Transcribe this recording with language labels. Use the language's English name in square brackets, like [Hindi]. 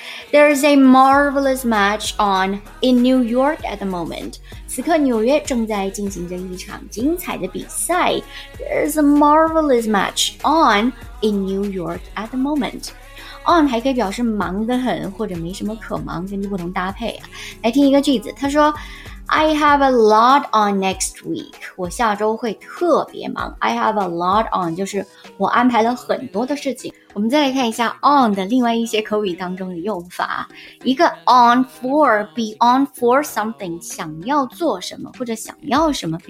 [English] There is a marvelous match on in New York at the moment. [Chinese] 此刻纽约正在进行着一场精彩的比赛。 [English] There is a marvelous match on in New York at the moment. [Chinese] on 还可以表示忙得很或者没什么可忙，根据不同搭配啊。来听一个句子，他说 [English] I have a lot on next week， [Chinese] 我下周会特别忙。 [English] I have a lot on [Chinese] 就是我安排了很多的事情。我们再来看一下 on 的另外一些口语当中的用法，一个 on for， be on for something， 想要做什么或者想要什么。